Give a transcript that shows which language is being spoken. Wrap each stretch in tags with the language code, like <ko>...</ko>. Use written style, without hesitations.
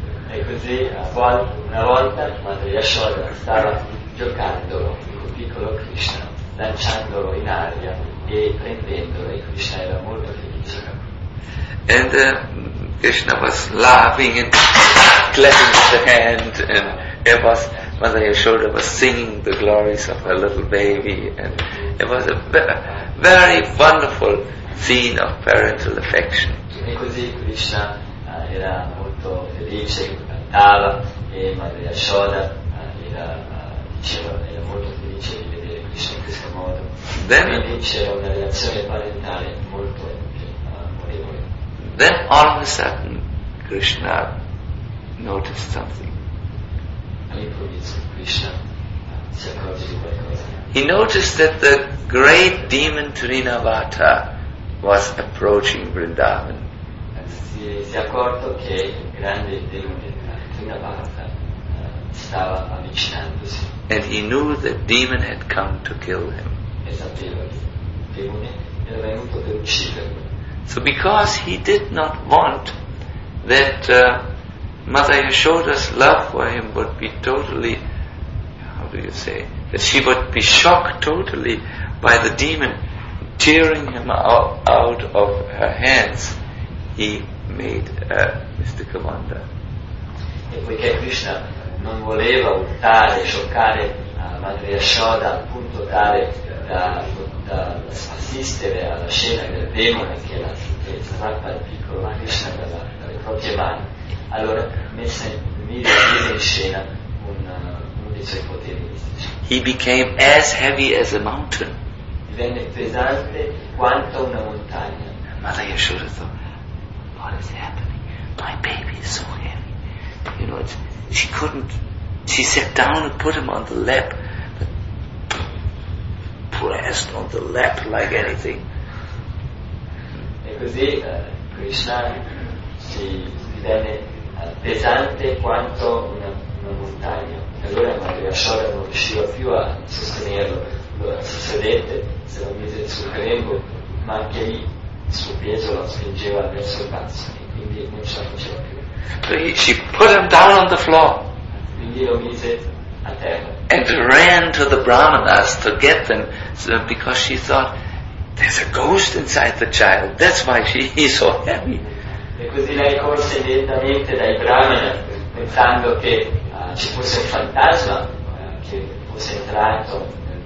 <it>E così una volta Madre Yashoda stava giocandolo con piccolo Krishna, lanciandolo in aria e prendendolo, e Krishna era molto felice.</it> <en>And Krishna was laughing and clapping the hand, and it was Madre Yashoda was singing the glories of her little baby, and it was a very wonderful scene of parental affection.</en> <it>E così Krishna era molto felice, cantava, e Madre Yashoda era molto felice di vedere Krishna in questo modo.</it> <en>Then,</en> <it>quindi c'era una relazione parentale molto amorevole.</it> <en>Then all of a sudden Krishna noticed something.</en> <it>All'improvviso Krishna si accorge di qualcosa.</it> <en>He noticed that the great demon Trinavata was approaching Vrindavan.</en> <it>Si è accorto che il grande demone Trinavata stava avvicinandosi.</it> <en>And he knew the demon had come to kill him.</en> <it>E sapeva che il demone era venuto per ucciderlo.</it> <en>So because he did not want that Mother Yashoda's love for him would be totally, how do you say, that she would be shocked totally by the demon tearing him out of her hands, he made Mr. Kavanda.</en> <it>E poiché Krishna non voleva urtare, scioccare Madre Yashoda al punto tale da assistere alla scena del demone che la strappa il piccolo Krishna dalle proprie mani, allora mise in scena uno dei suoi poteri mistici.</it> <en>He became as heavy as a mountain.</en> <it>Venne pesante quanto una montagna.</it> <en>Mother Yashoda thought, what is happening? My baby is so heavy. You know, she couldn't. She sat down and put him on the lap, pressed on the lap like anything.</en> <it>E così Krishna si divenne pesante quanto una montagna. E allora Mother Yashoda non riusciva più a sostenerlo. Sedette, se lo mise sul grembo, ma anche lì il suo peso lo spingeva verso il basso e quindi non ce la faceva più.</it> <en>She put him down on the floor.</en> <it>Quindi lo mise a terra.</it> <en>And ran to the brahmanas to get them, because she thought there's a ghost inside the child. That's why he's so heavy.</en> <it>E così lei corse lentamente dai brahmana, pensando che ci fosse un fantasma che fosse entrato.</it>